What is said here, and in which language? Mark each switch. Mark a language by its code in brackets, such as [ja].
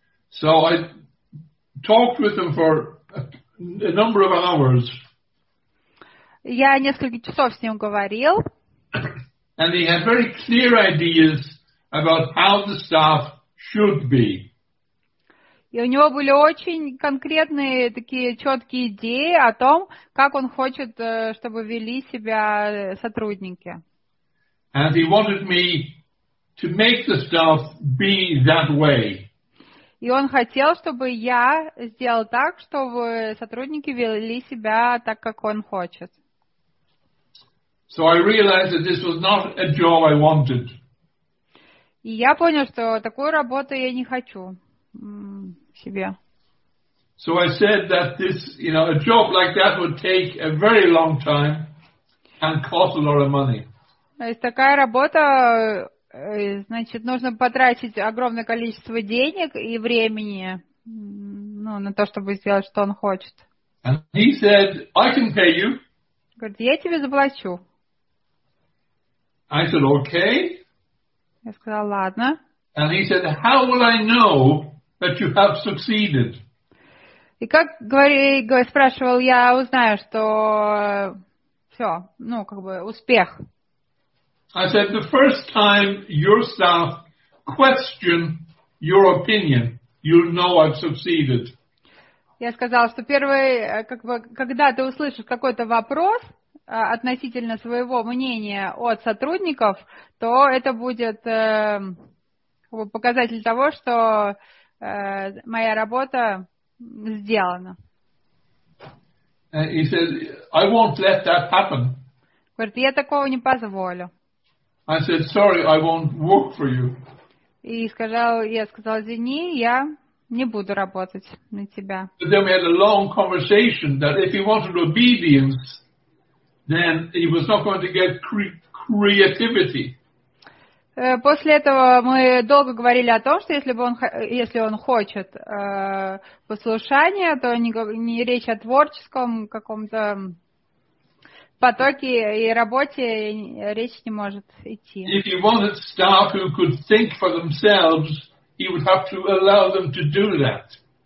[en] So I talked with him for a number of hours. [ru] Я несколько часов с ним говорил. [en] And he had very clear ideas about how the staff should be. [ru] И у него были очень конкретные такие четкие идеи о том, как он хочет, чтобы вели себя сотрудники. [en] And he wanted me to make the staff be that way. [ru] И он хотел, чтобы я сделал так, чтобы сотрудники вели себя так, как он хочет. [en] So I realized that this was not a job I wanted. [ru] И я понял, что такую работу я не хочу себе. [en] So I said that this, you know, a job like that would take a very long time and cost a lot of money. [ru] То есть такая работа, значит, нужно потратить огромное количество денег и времени, ну, на то, чтобы сделать, что он хочет. [en] And he said, I can pay you. [ru] Говорит, я тебе заплачу. [en] I said, okay. [ru] Я сказала, ладно. [en] And he said, how will I know that you have succeeded? [ru] И как спрашивал я, узнаю, что все, ну, как бы, успех. [en] I said, the first time your staff question your opinion, you'll know I've succeeded. [ru] Я сказала, что первый, как бы, когда ты услышишь какой-то вопрос относительно своего мнения от сотрудников, то это будет как бы показатель того, что моя работа сделана. [en] He said, I won't let that happen. [ru] Говорит, я такого не позволю. [en] I said, sorry, I won't work for you. [ru] И я сказал, извини, я не буду работать на тебя. [en] But then we had a long conversation that if he wanted obedience, then he was not going to get creativity. [ru] После этого мы долго говорили о том, что если он хочет послушания, то не речь о творческом каком-то потоке и работе речь не может идти. [en] If he wanted staff who could think for themselves, he would have to allow them to do that.